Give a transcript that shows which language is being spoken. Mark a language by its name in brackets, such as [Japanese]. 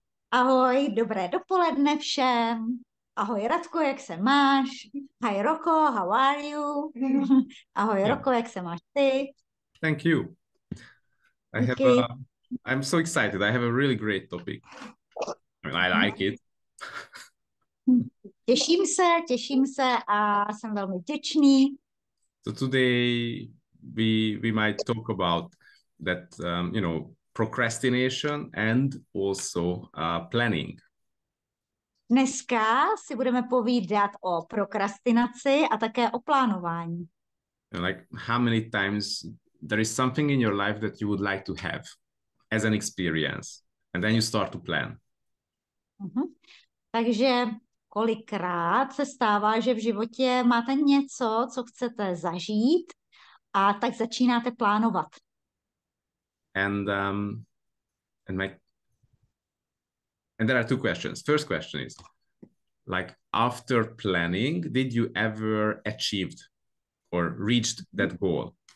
[Czech] Ahoj, dobré dopoledne všem. Ahoj, Radku, jak se máš? [English] Hi, Roko, how are you? [Czech] Ahoj, Roko, jak se máš ty? [English] Thank you. [Czech] Díky. [English] I'm so excited. I have a really great topic. I mean, I like it. [Czech] Těším se a jsem velmi vděčný. [English] So today we might talk about that, procrastination and also planning. [Czech] Dneska si budeme povídat o prokrastinaci a také o plánování. [English] And like how many times there is something in your life that you would like to have as an experience, and then you start to plan. [Czech] Takže kolikrát se stává, že v životě máte něco, co chcete zažít, a tak začínáte plánovat. [English] And there are two questions. First question is, like, after planning, did you ever achieved or reached that goal?